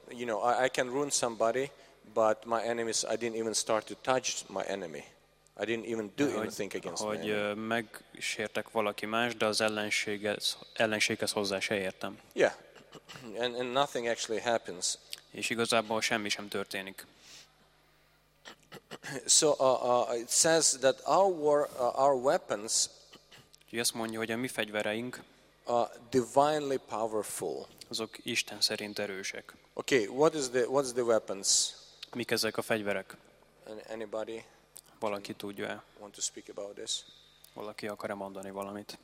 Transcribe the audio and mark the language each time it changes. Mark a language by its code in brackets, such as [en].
[en] You know, I can ruin somebody, but my enemies. I didn't even start to touch my enemy. I didn't even do anything against him. [hu] Hogy megsértek valaki más, de az ellenséghez hozzá se értem. [en] Yeah, and nothing actually happens. [hu] És igazából semmi sem történik. [en] So it says that our war, our weapons. [hu] Jézus mondja, hogy a mi fegyvereink. [en] Divinely powerful. [hu] Azok Isten szerint erősek. [en] Okay, what's the weapons? [hu] Mik ezek a fegyverek? [en] Anybody? [hu] Valaki tudja? [en] Want to speak about this? [hu] Valaki akar-e mondani valamit?